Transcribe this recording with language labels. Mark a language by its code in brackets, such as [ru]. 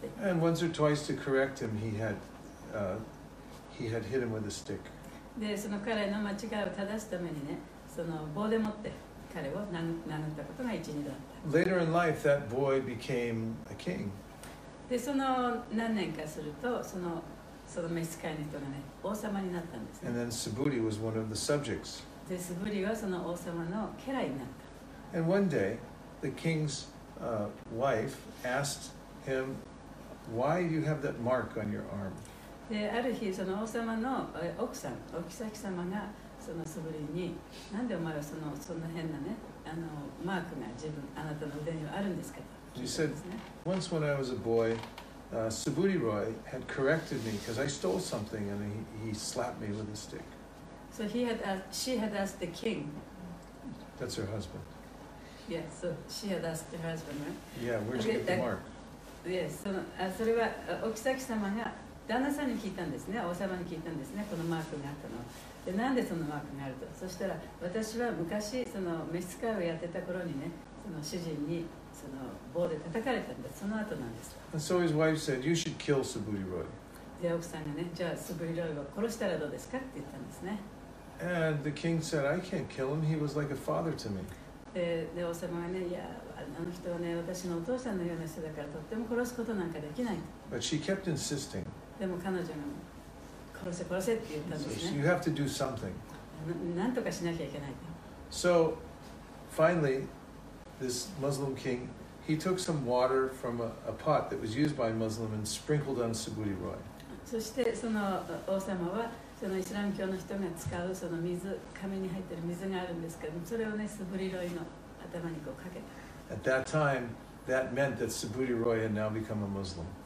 [en] And once or twice to correct him, he had hit him with a stick. [ja] で、その彼の間違いを正すためにね、その棒で持って彼を殴ったことが一、二度あった。 [en] Later in life, that boy became a king. [ja] で、その何年かすると、その召使いの人がね、王様になったんです、ね。 [en] And then Subhuti was one of the subjects. [ja] で、Subhuti はその王様の家来になった。 [en] And one day, the king's wife asked him, why do you have that mark on your arm? [ja] で、ある日その王様の奥さん、お妃様がそのスブリに、なんでお前はそんな変なね、あのマークが自分、あなたの腕にはあるんですかと聞いたんですね。 [en] She said, once when I was a boy, Subhuti Roy had corrected me because I stole something and he slapped me with a stick. So she had asked the king. That's her husband. Yeah, so she had asked her husband, right? Yeah, where'd you get the mark? [ja] Yes, それは奥妃様が旦那さんに聞いたんですね、王様に聞いたんですね、このマークがあったの。で、なんでそのマークがあると。そしたら、私は昔、その召使いをやってた頃にね、その主人にその棒で叩かれたんです、その後なんです。 [en] And so his wife said, you should kill Subhuti Roy. [ja] で、奥さんがね、じゃあ、Subhuti Roy を殺したらどうですかって言ったんですね。 [en] And the king said, I can't kill him, he was like a father to me. [ja] で、王様がね、いや、あの人はね、私のお父さんのような人だから、とっても殺すことなんかできない。 [en] But she kept insisting. [ja] でも彼女が殺せって言ったんですね。 [en] you have to do something. [ja] なんとかしなきゃいけない。 [en] So finally, this Muslim king, he took some water from a pot that was used by Muslim and sprinkled on Subhuti Roy. [ja] そしてその王様はそのイスラム教の人が使うその水、紙に入ってる水があるんですけども、それをねスブリロイの頭にこうかけた。 [en] At that time,That meant that Subhuti Roy had now become a Muslim.